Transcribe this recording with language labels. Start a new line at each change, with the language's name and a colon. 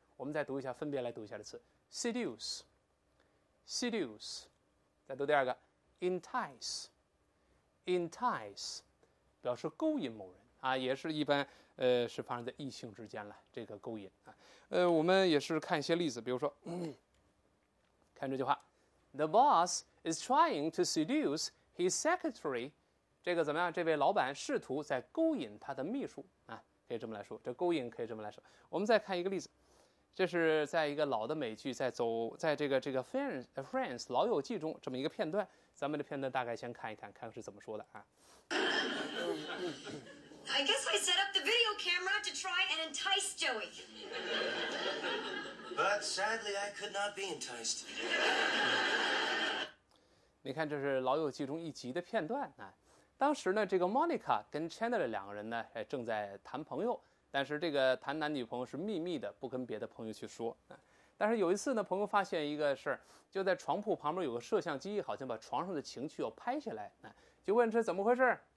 Chinese: 我们再读一下，分别来读一下这词 ：seduce。再读第二个 ，entice。表示勾引某人啊，也是一般是发生在异性之间了。这个勾引啊，我们也是看一些例子，比如说。看这句话
English: ，The boss is trying to seduce his secretary。
Chinese: 这个怎么样？这位老板试图在勾引他的秘书啊，可以这么来说。这勾引可以这么来说。我们再看一个例子，这是在一个老的美剧，在这个 Friends 老友记中这么一个片段。咱们的片段大概先看一看，看看是怎么说的啊。
English: I guess I set up the video camera to try and entice Joey. But sadly, I could not be enticed.
Chinese: 你看，这是《老友记》中一集的片段啊。当时呢，这个 Monica 跟 Chandler 两个人呢，正在谈朋友，但是这个谈男女朋友是秘密的，不跟别的朋友去说啊。但是有一次呢，朋友发现一个事儿，就在床铺旁边有个摄像机，好像把床上的情趣要拍下来啊，就问这怎么回事？